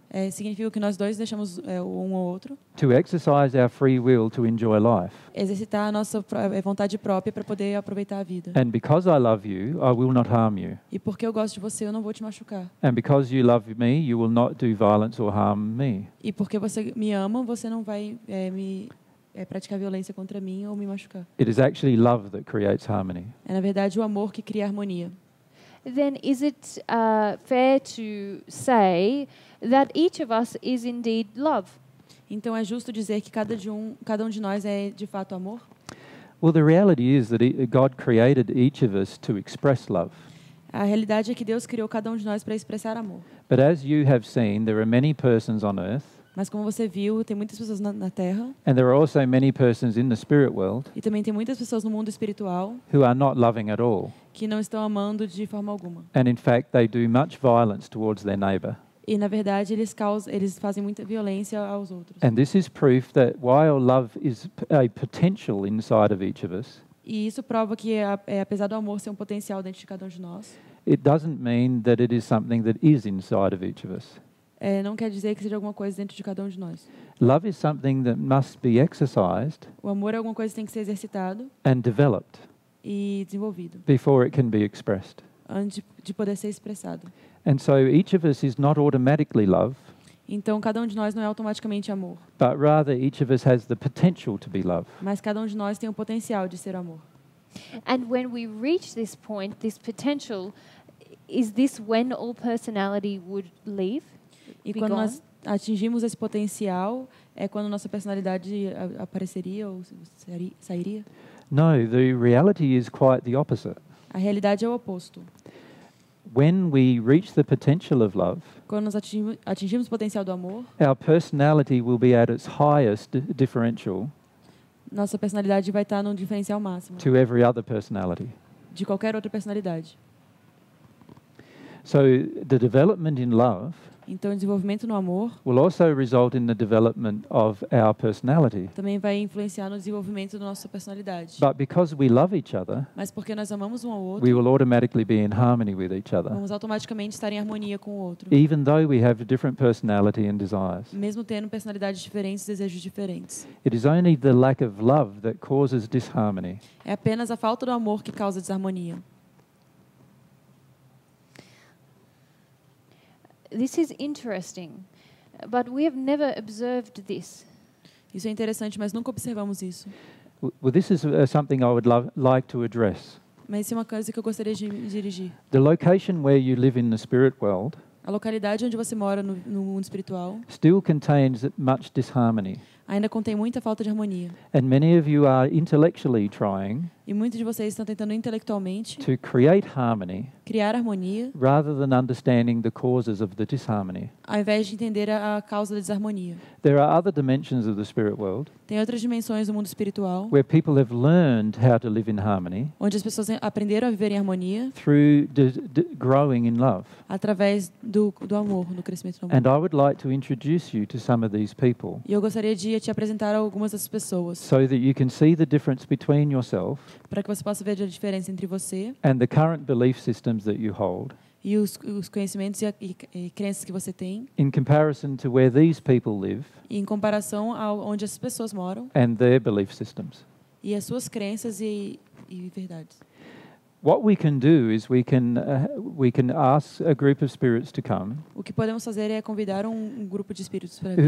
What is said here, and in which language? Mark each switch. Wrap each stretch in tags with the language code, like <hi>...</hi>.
<pt>É, significa que nós dois deixamos um ao outro.</pt> <en>To exercise our free will to enjoy life.</en> <pt>Exercitar a nossa vontade própria para poder aproveitar a vida.</pt> <en>And because I love you, I will not harm you.</en> <pt>E porque eu gosto de você, eu não vou te machucar.</pt> <en>And because you love me, you will not do violence or harm me.</en> <pt>E porque você me ama, você não vai praticar violência contra mim ou me machucar.</pt> <en>It is actually love that creates harmony.</en> <pt>É na verdade o amor que cria harmonia.</pt> <en>Then is it fair to say that each of us is indeed love?</en> <pt>Então é justo dizer que cada um de nós é de fato amor?</pt> <en>Well, the reality is that God created each of us to express love.</en> <pt>A realidade é que Deus criou cada um de nós para expressar amor.</pt> <en>But as you have seen, there are many persons on earth.</en> <pt>Mas como você viu, tem muitas pessoas na Terra.</pt> <en>And there are also many persons in the spirit world.</en> <pt>E também tem muitas pessoas no mundo espiritual.</pt> <en>Who are not loving at all.</en> <pt>Que não estão amando de forma alguma.</pt> <en>And in fact, they do much violence towards their neighbor.</en> <pt>E na verdade, eles fazem muita violência aos outros.</pt> <en>And this is proof that while love is a potential inside of each of us.</en> <pt>E isso prova que apesar do amor ser um potencial dentro de cada um de nós.</pt> <en>It doesn't mean that it is something that is inside of each of us.</en> <pt>Não quer dizer que seja alguma coisa dentro de cada um de nós.</pt> <en>Love is something that must be exercised.</en> <pt>O amor é alguma coisa que tem que ser exercitado.</pt> <en>And developed.</en> <pt>E desenvolvido.</pt> <en>Before it can be expressed.</en> <pt>Antes de poder ser expressado.</pt> <en>And so each of us is not automatically love.</en> <pt>Então cada um de nós não é automaticamente amor.</pt> <en>But rather each of us has the potential to be love.</en> <pt>Mas cada um de nós tem o potencial de ser amor.</pt> <en>And when we reach this point, this potential, is this when all personality would leave?</en> <pt>E quando nós atingimos esse potencial, é quando nossa personalidade apareceria ou sairia?</pt> <en>No, the reality is quite the opposite.</en> <pt>A realidade é o oposto.</pt> <en>When we reach the potential of love,</en> <pt>quando nós atingimos o potencial do amor,</pt> <en>our personality will be at its highest differential.</en> <pt>Nossa personalidade vai estar num diferencial máximo.</pt> <en>To every other personality.</en> <pt>De qualquer outra personalidade.</pt> <en>So the development in love.</en> <pt>Então, o desenvolvimento no amor</pt> <en>will also result in the development of our personality.</en> <pt>Também vai influenciar no desenvolvimento da nossa personalidade.</pt> <en>But because we love each other,</en> <pt>mas porque nós amamos um ao outro,</pt> <en>we will automatically be in harmony with each other.</en> <pt>Vamos automaticamente estar em harmonia com o outro.</pt> <en>Even though we have a different personality and desires.</en> <pt>Mesmo tendo personalidades diferentes, desejos diferentes.</pt> <en>It is only the lack of love that causes disharmony.</en> <pt>É apenas a falta do amor que causa desarmonia.</pt> <en>This is interesting, but we have never observed this.</en> <pt>Isso é interessante, mas nunca observamos isso.</pt> <en>Well, this is something I would like to address.</en> <pt>Mas isso é uma coisa que eu gostaria de dirigir.</pt> <en>The location where you live in the spirit world.</en> <pt>A localidade onde você mora no mundo espiritual.</pt> <en>Still contains much disharmony.</en> <pt>ainda contém muita falta de harmonia.</pt> <en>And many of you are intellectually trying.</en> <pt>E muitos de vocês estão tentando intelectualmente</pt> <en>to create harmony,</en> <pt>criar harmonia,</pt> <en>rather than understanding the causes of the disharmony.</en> <pt>Ao invés de entender a causa da desarmonia.</pt> <en>There are other dimensions of the spirit world.</en> <pt>Tem outras dimensões do mundo espiritual.</pt> <en>Where people have learned how to live in harmony.</en> <pt>Onde as pessoas aprenderam a viver em harmonia.</pt> <en>Through growing in love.</en> <pt>Através do amor, do crescimento no amor.</pt> <en>And I would like to introduce you to some of these people.</en> <pt>E eu gostaria de te apresentar algumas dessas pessoas.</pt> <en>So that you can see the difference between yourself.</en> <pt>Para que você possa ver a diferença entre você</pt> <en>and the current belief systems that you hold,</en> <pt>e os conhecimentos e crenças que você tem</pt> <en>in comparison to where these people live,</en> <pt>e em comparação ao onde essas pessoas moram</pt> <en>and their belief systems.</en> <pt>E as suas crenças e verdades.</pt> <en>What we can do is we can ask a group of spirits to come.</en> <pt>O que podemos fazer é convidar um grupo de espíritos para vir.</pt>